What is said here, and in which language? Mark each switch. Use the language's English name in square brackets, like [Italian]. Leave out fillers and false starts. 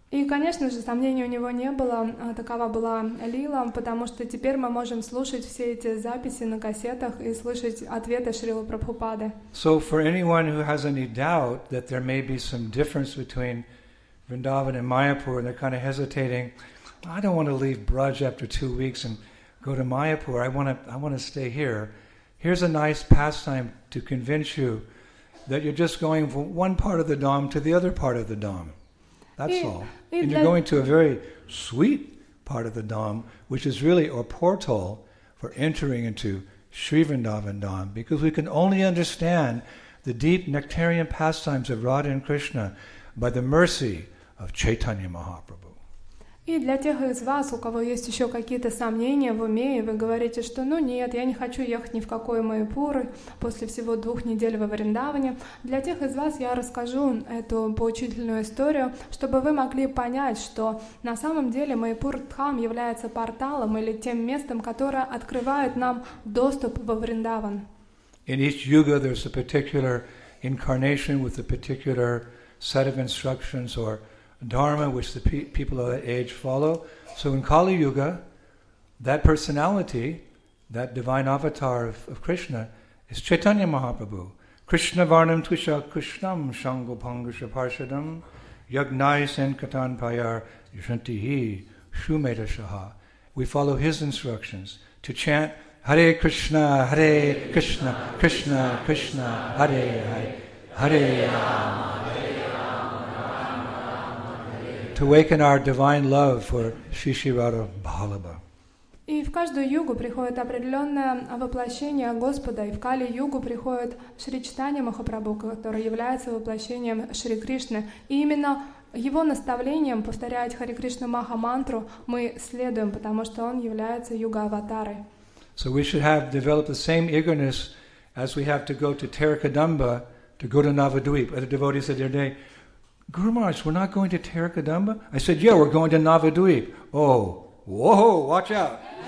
[Russian] И, конечно же, сомнений у него не было, такова была лила, потому что теперь мы можем слушать все эти записи на кассетах и слышать ответы Шрилы Прабхупады. [English] So for anyone who has any doubt that there may be some difference between Vrindavan and Mayapur, and they're kind of hesitating. I don't want to leave Braj after 2 weeks and go to Mayapur. I want to stay here. Here's a nice pastime to convince you that you're just going from one part of the Dham to the other part of the Dham. That's all. And you're going to a very sweet part of the Dham, which is really a portal for entering into Sri Vrindavan Dham, because we can only understand the deep nectarian pastimes of Radha and Krishna by the mercy of Chaitanya Mahaprabhu. [Russian] И для тех из вас, у кого есть еще какие-то сомнения в уме, и вы говорите, что «ну нет, я не хочу ехать ни в какой Майпуры после всего двух недель во Вриндаване», для тех из вас я расскажу эту поучительную историю, чтобы вы могли понять, что на самом деле Майпур Дхам является порталом или тем местом, которое открывает нам доступ во Вриндаван. [English] In each yuga there's a particular incarnation with a particular set of instructions or dharma which the people of that age follow. So in Kali Yuga, that personality, that divine avatar of Krishna, is Chaitanya Mahaprabhu. [Sanskrit] Krishna Varnam Twisha Krishnam Shango Pangusha Parshadam Yagnai Senkatan Payar Yushantihi Shumeda Shaha. [English] We follow his instructions to chant Hare Krishna, Hare Krishna, Krishna, Krishna, Hare Hare, Hare Rama. To awaken our divine love for Shri Shri Radha Bhalabha. [Russian] И в каждую югу приходит определенное воплощение Господа, и в Кали-югу приходит Шри Чайтанья Махапрабху, который является воплощением Шри Кришны. И именно его наставлением повторять Хари Кришна Маха мантру мы следуем, потому что он является юга-аватарой. [English] So we should have developed the same eagerness as we have to go to Tarakadamba, to go to Navadvip. The devotees said the other day, Guru Maharaj, we're not going to Tarakadamba? I said, yeah, we're going to Navadvip. Oh, whoa, watch out.